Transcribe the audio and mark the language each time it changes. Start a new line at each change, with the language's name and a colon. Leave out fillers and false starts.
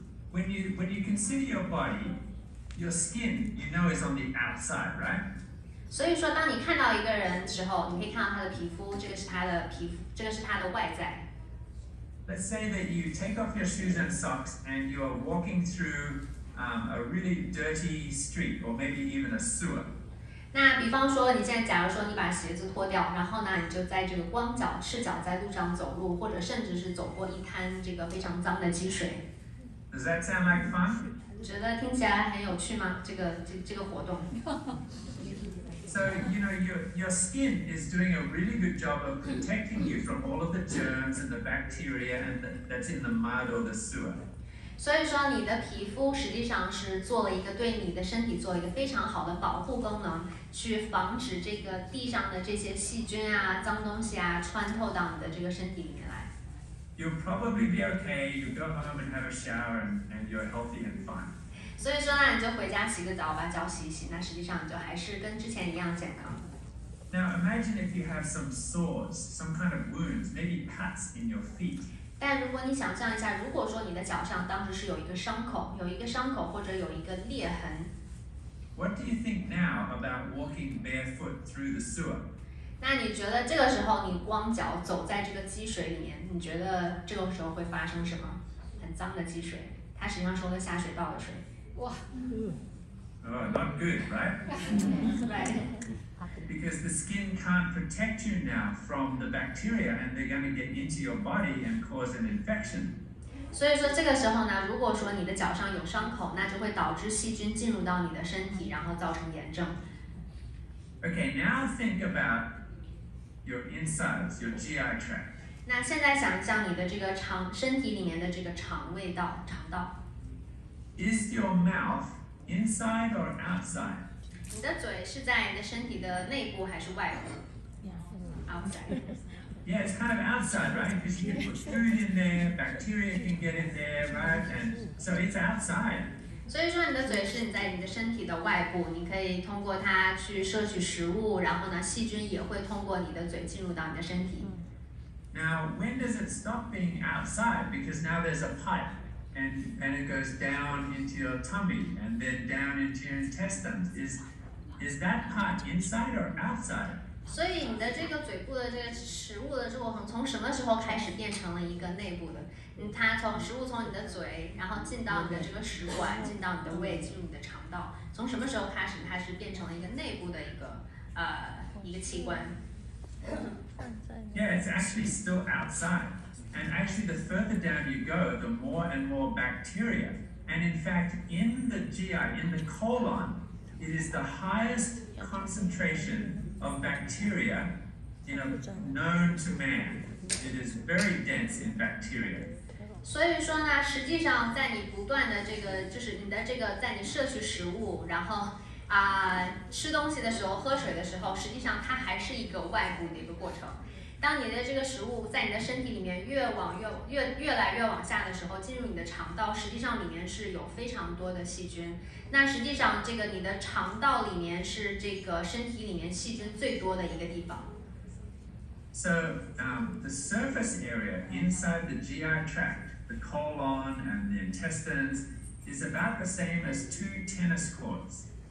English: When you consider your body, your skin, you know, is on the outside, right?
Chinese: 所以说，当你看到一个人的时候，你可以看到他的皮肤，这个是他的皮肤，这个是他的外在。
English: Let's say that you take off your shoes and socks, and you are walking through a really dirty street, or maybe even a sewer.
Chinese: 那比方说，你现在假如说你把鞋子脱掉，然后呢，你就在这个光脚、赤脚在路上走路，或者甚至是走过一滩这个非常脏的积水。
English: Does that sound like fun?
Chinese: 觉得听起来很有趣吗？这个活动。
English: So you know your skin is doing a really good job of protecting you from all of the germs and the bacteria and that's in the mud or the sewer.
Chinese: 所以说你的皮肤实际上是做了一个对你的身体做一个非常好的保护功能，去防止这个地上的这些细菌啊、脏东西啊穿透到你的这个身体里面来。
English: You'll probably be okay. You go home and have a shower and you're healthy and fine.
Chinese: 所以说呢，你就回家洗个澡，把脚洗一洗，那实际上你就还是跟之前一样健康。
English: Now imagine if you have some sores, some kind of wounds, maybe cuts in your feet.
Chinese: 但如果你想象一下，如果说你的脚上当时是有一个伤口，有一个伤口或者有一个裂痕。
English: What do you think now about walking barefoot through the sewer?
Chinese: 那你觉得这个时候你光脚走在这个积水里面，你觉得这个时候会发生什么？很脏的积水，它实际上是个下水道的水。哇。
English: Oh, not good, right? Right. Because the skin can't protect you now from the bacteria, and they're going to get into your body and cause an infection.
Chinese: 所以说这个时候呢，如果说你的脚上有伤口，那就会导致细菌进入到你的身体，然后造成炎症。
English: Okay, now think about your insides, your GI tract.
Chinese: 那现在想象你的这个肠，身体里面的这个肠胃道，肠道。
English: Is your mouth inside or outside?
Chinese: 你的嘴是在你的身体的内部还是外部？
English: Outside. Yeah, it's kind of outside, right? Because you can put food in there, bacteria can get in there, right? And so it's outside.
Chinese: 所以说你的嘴是你在你的身体的外部，你可以通过它去摄取食物，然后呢，细菌也会通过你的嘴进入到你的身体。
English: Now, when does it stop being outside? Because now there's a pipe, and it goes down into your tummy, and then down into your intestines. Is that pipe inside or outside?
Chinese: 所以你的这个嘴部的这个食物的这个从什么时候开始变成了一个内部的？它从食物从你的嘴，然后进到你的这个食管，进到你的胃，进入你的肠道。从什么时候开始，它是变成了一个内部的一个器官
English: ？Yeah, it's actually still outside. And actually, the further down you go, the more and more bacteria. And in fact, in the GI, in the colon, it is the highest concentration. Of bacteria, you know, known to man, it is very dense in bacteria.
Chinese: 所以说呢，实际上在你不断的这个，就是你的这个，在你摄取食物，然后吃东西的时候，喝水的时候，实际上它还是一个外部的一个过程。当你的这个食物在你的身体里面越来越往下的时候，进入你的肠道，实际上里面是有非常多的细菌。那实际上这个你的肠道里面是这个身体里面细菌最多的一个地方。
English: So, the surface area inside the GI tract, the colon and the intestines, is about the same as two tennis courts.